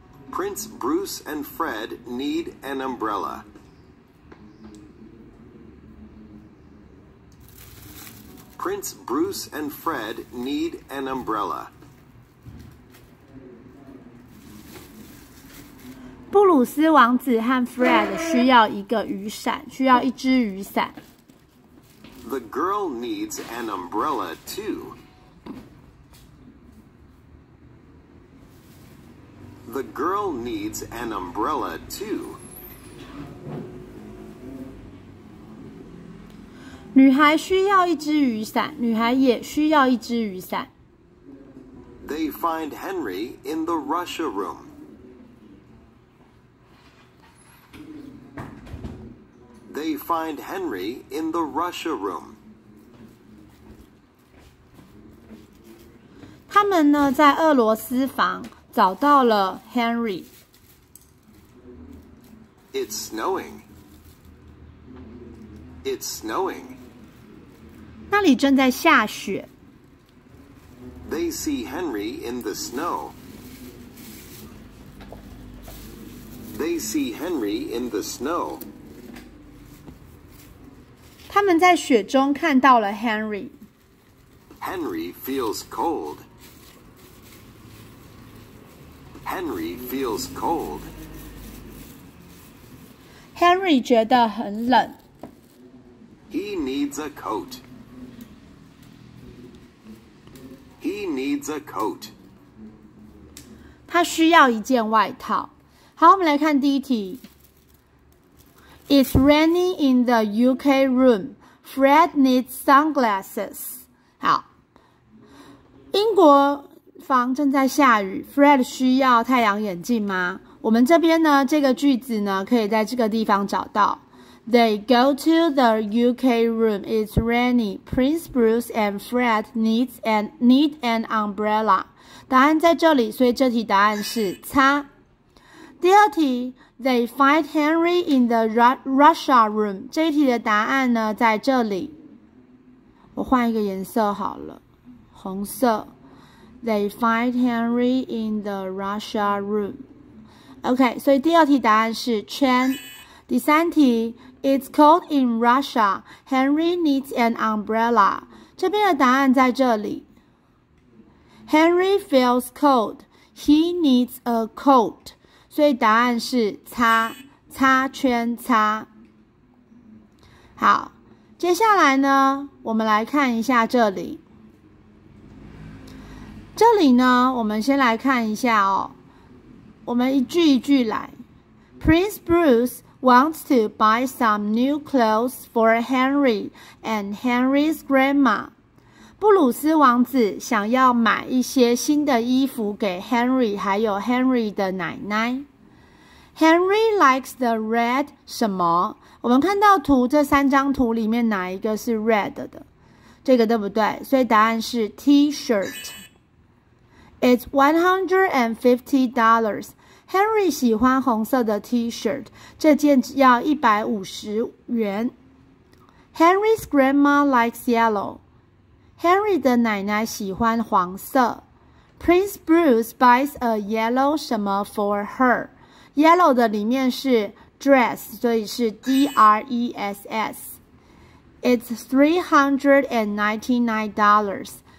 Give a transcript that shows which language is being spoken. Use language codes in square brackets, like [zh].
[en] Prince Bruce and Fred need an umbrella. Prince Bruce and Fred need an umbrella. [zh] 布鲁斯王子和 Fred 需要一个雨伞，需要一支雨伞。 [en] The girl needs an umbrella too. The girl needs an umbrella too. [zh] 女孩需要一支雨伞，女孩也需要一支雨伞。 [en] They find Henry in the Russia room. They find Henry in the Russia room. [zh] 他们呢在俄罗斯房，找到了 Henry。 [en] It's snowing. It's snowing. [zh] 那里正在下雪。 [en] They see Henry in the snow. They see Henry in the snow. [zh] 他们在雪中看到了 Henry. [en] Henry feels cold. Henry feels cold. [zh] Henry 觉得很冷。 [en] He needs a coat. He needs a coat. [zh] 他需要一件外套。好，我们来看第一题。 [en] It's raining in the UK room. Fred needs sunglasses. [zh] 好，英国房正在下雨。 Fred 需要太阳眼镜吗？我们这边呢，这个句子呢，可以在这个地方找到。 [en] They go to the UK room. It's raining. Prince Bruce and Fred need an umbrella. [zh] 答案在这里，所以这题答案是 X。第二题 [en] ,They find Henry in the Russia room. [zh] 这题的答案呢在这里。我换一个颜色好了。红色。 [en] They find Henry in the Russia room. [zh] OK, 所以第二题答案是 Chen。第三题 [en] It's cold in Russia. Henry needs an umbrella. [zh] 这边的答案在这里。 [en] Henry feels cold. He needs a coat. [zh] 所以答案是叉叉圈叉。好，接下来呢，我们来看一下这里。这里呢，我们先来看一下哦。我们一句一句来。Prince Bruce. [en] Wants to buy some new clothes for Henry and Henry's grandma. [zh] 布鲁斯王子想要买一些新的衣服给 Henry 还有 Henry 的奶奶。 [en] Henry likes the red [zh] 什么？我们看到图这三张图里面哪一个是 red 的？这个对不对？所以答案是 [en] T-shirt. It's $150. [zh] Henry 喜欢红色的 T-shirt, 这件要150元。 [en] Henry's grandma likes yellow. [zh] Henry 的奶奶喜欢黄色。 [en] Prince Bruce buys a yellow [zh] 什么 [en] for her. [zh] Yellow 的里面是 dress, 所以是 D-R-E-S-S. [en] It's $399.